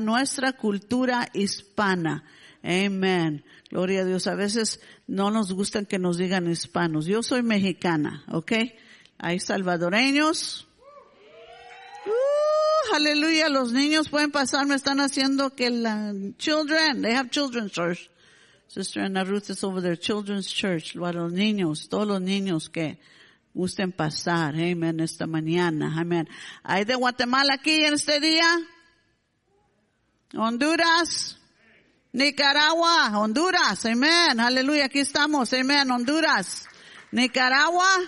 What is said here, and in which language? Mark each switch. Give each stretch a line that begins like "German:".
Spanish: Nuestra cultura hispana. Amén. Gloria a Dios. A veces no nos gustan que nos digan hispanos. Yo soy mexicana, ¿ok? Hay salvadoreños. Aleluya. Los niños pueden pasar. Me están haciendo que la...
English: Children, they have children's church. Sister Ana Ruth is over there, children's church.
Spanish: Para los niños, todos los niños que gusten pasar. Amen, esta mañana. Amen. ¿Hay de Guatemala aquí en este día? Honduras. Nicaragua. Honduras. Amen. Aleluya. Aquí estamos. Amen. Honduras. Nicaragua.